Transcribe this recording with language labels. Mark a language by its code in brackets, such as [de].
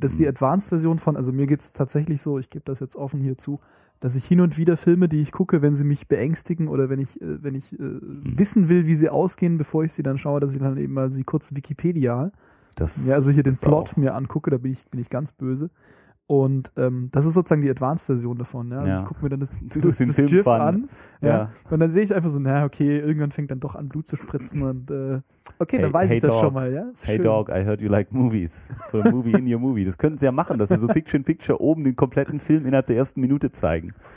[de] Das ist die Advanced-Version von, also mir geht's tatsächlich so, ich gebe das jetzt offen hier zu, dass ich hin und wieder Filme, die ich gucke, wenn sie mich beängstigen oder wenn ich wissen will, wie sie ausgehen, bevor ich sie dann schaue, dass ich dann eben mal sie kurz Wikipedia, das ja, also hier den Plot mir angucke, da bin ich ganz böse. Und das ist sozusagen die Advanced-Version davon. Ja? Also ja. Ich gucke mir dann das GIF an. Ja. Und dann sehe ich einfach so, na okay, irgendwann fängt dann doch an, Blut zu spritzen. Und okay, hey, dann weiß hey ich das [en] dog. [de] Schon mal. Ja? Hey schön. [en] Dog, I heard you like movies. Put a movie in your movie. [de] Das könnten sie ja machen, dass sie so Picture-in-Picture oben den kompletten Film innerhalb der ersten Minute zeigen.